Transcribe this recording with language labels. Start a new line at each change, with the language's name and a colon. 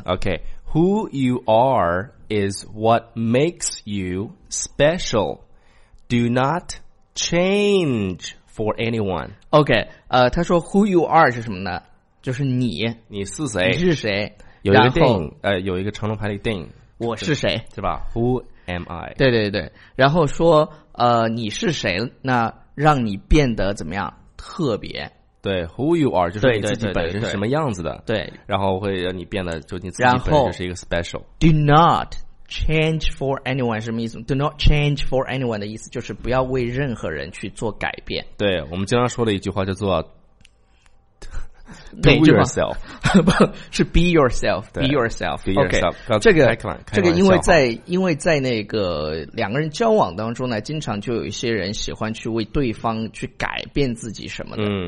English: Okay, who you are is what makes you special. Do not change for anyone.
Chinese: Okay, 他说
English: who you are
Chinese: 是什么呢？就是你。你是谁？你是谁？有一个电影，有一个成龙拍的电影，我是谁，是吧
English: ？Who am I？
Chinese: 对对对，然后说，你是谁？那让你变得怎么样？特别？对 ，
English: Who you are
Chinese: 就是你自己本身是什么样子的？对，对对对对，然后会让你变得，就你自己本身是一个 special。
English: Do not change for anyone
Chinese: 什么意思 ？Do not change for anyone 的意思就是不要为任何人去做改变。对，我们经常说的一句话叫做。
English: Be yourself，
Chinese: 不是
English: be yourself， be yourself， be yourself、 okay,。
Chinese: 这个因为在那个两个人交往当中呢，经常就有一些人喜欢去为对方去改变自己什么的。